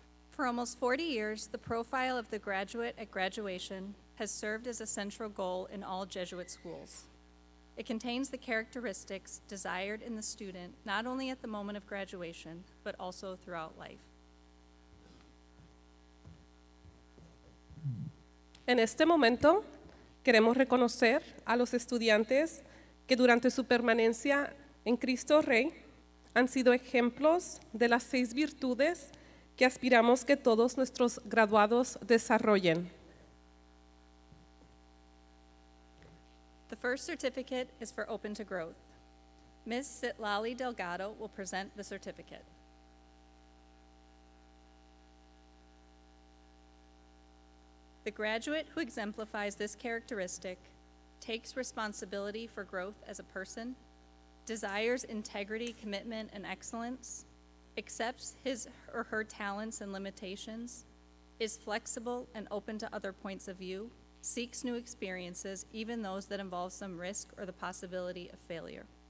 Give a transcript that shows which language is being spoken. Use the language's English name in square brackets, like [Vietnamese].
[English] For almost 40 years, the profile of the graduate at graduation has served as a central goal in all Jesuit schools. It contains the characteristics desired in the student, not only at the moment of graduation, but also throughout life. [Spanish] En este momento, queremos reconocer a los estudiantes que durante su permanencia en Cristo Rey han sido ejemplos de las seis virtudes que aspiramos que todos nuestros graduados desarrollen. [English] The first certificate is for Open to Growth. Ms. Sitlali Delgado will present the certificate. The graduate who exemplifies this characteristic takes responsibility for growth as a person, desires integrity, commitment, and excellence, accepts his or her talents and limitations, is flexible and open to other points of view, seeks new experiences, even those that involve some risk or the possibility of failure.